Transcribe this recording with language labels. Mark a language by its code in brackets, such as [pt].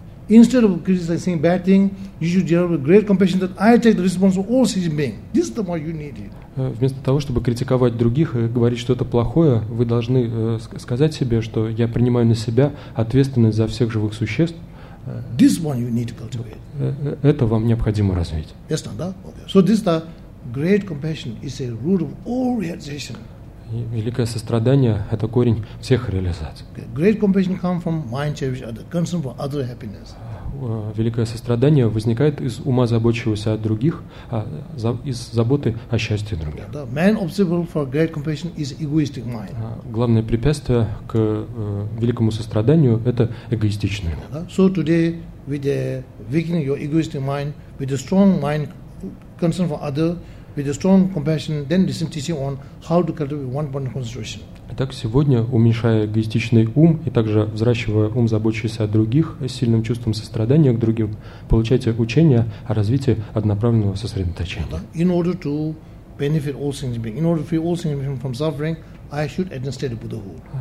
[en] Instead of criticizing bad thing, you should develop great compassion that I take the responsibility of all sentient beings. This is the one you need. [ru] Вместо того, чтобы критиковать других и говорить, что это плохое, вы должны сказать себе, что я принимаю на себя ответственность за всех живых существ. [en] This one you need to cultivate. [ru] Это вам необходимо развить. [en] Yes, no, okay. So this the great compassion is a root of all realization. [ru] Великое сострадание – это корень всех реализаций. [en] Great compassion comes from mind cherishing other, concern for other happiness. [ru] Великое сострадание возникает из ума заботящегося о других, из заботы о счастье других. [en] The main obstacle for great compassion is egoistic mind. [ru] Главное препятствие к великому состраданию – это эгоистичное. [en] So today, with the weakening your egoistic mind, with the strong mind concern for other, with a strong compassion, then listen to teaching on how to cultivate one point of concentration. [ru] Итак, сегодня, уменьшая эгоистичный ум и также взращивая ум, заботящийся о других, с сильным чувством сострадания к другим, получайте учение о развитии одноправленного сосредоточения. [en] In order to benefit all sentient beings, in order to free all sentient beings from suffering, I should attain Buddhahood.